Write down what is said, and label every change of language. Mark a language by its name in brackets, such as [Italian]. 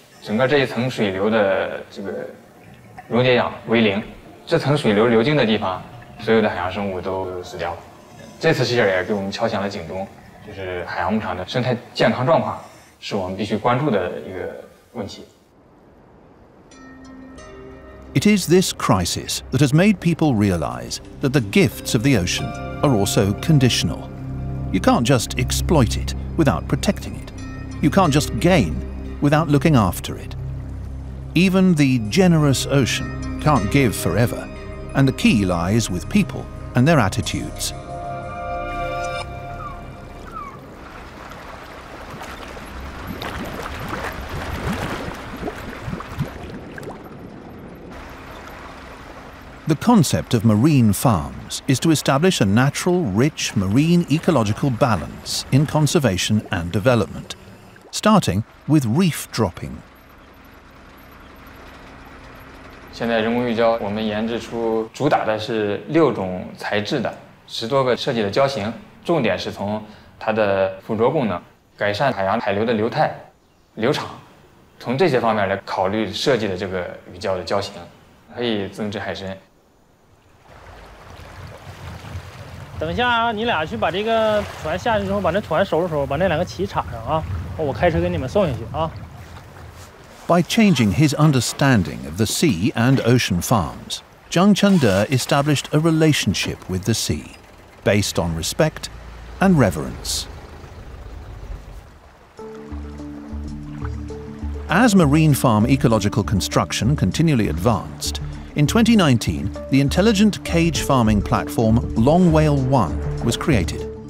[Chinese] 整个这一层水流的这个溶解氧为零，这层水流流经的地方，所有的海洋生物都死掉了。这次事件也给我们敲响了警钟，就是海洋牧场的生态健康状况是我们必须关注的一个问题。 [English] It is this crisis that has made people realize that the gifts of the ocean are also conditional. You can't just exploit it without protecting it. You can't just gain without looking after it. Even the generous ocean can't give forever, and the key lies with people and their attitudes. The concept of marine farms is to establish a natural, rich, marine ecological balance in conservation and development, starting with reef dropping. [Chinese] 现在人工鱼胶我们研制出主打的是六种材质的十多个设计的胶型，重点是从它的附着功能改善海洋海流的流态、流场，从这些方面来考虑设计的这个鱼胶的胶型，可以增殖海参。等一下啊，你俩去把这个船下去之后，把那船收拾收拾，把那两个旗插上啊，我开车给你们送下去啊。 [English] By changing his understanding of the sea and ocean farms, Zhang Chenda established a relationship with the sea, based on respect and reverence. As marine farm ecological construction continually advanced,In 2019, the intelligent cage farming platform Long Whale One was created.